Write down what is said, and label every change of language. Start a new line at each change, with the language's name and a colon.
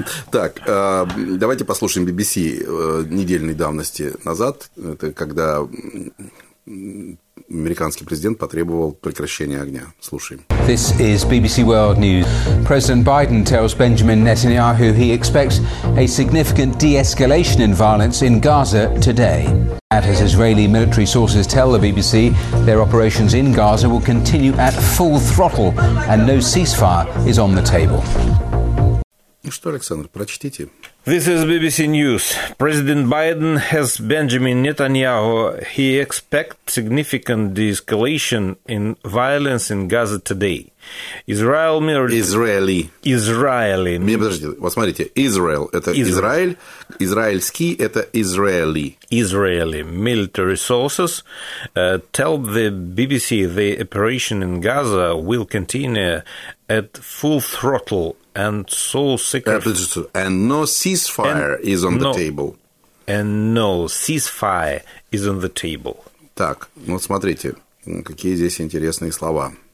Russian: Так, давайте послушаем BBC недельной давности назад, это когда американский президент потребовал прекращения огня. Слушаем.
English: This is BBC World News. President Biden tells Benjamin Netanyahu he expects a significant de-escalation in violence in Gaza today. As Israeli military sources tell the BBC, their operations in Gaza will continue at full throttle and no ceasefire is on the table.
Russian: Ну что, Александр, прочтите.
English: This is BBC News. President Biden has Benjamin Netanyahu. He expects significant de-escalation in violence in Gaza today. Israel
Russian: Израили. Израили. Подождите, вот смотрите, Israel – это Израиль, израильский – это Израили.
English: Israeli military sources tell the BBC the operation in Gaza will continue at full throttle. And so secret. And no ceasefire and is on the table. And no ceasefire is on the table.
Russian: Так, ну вот смотрите, какие здесь интересные слова.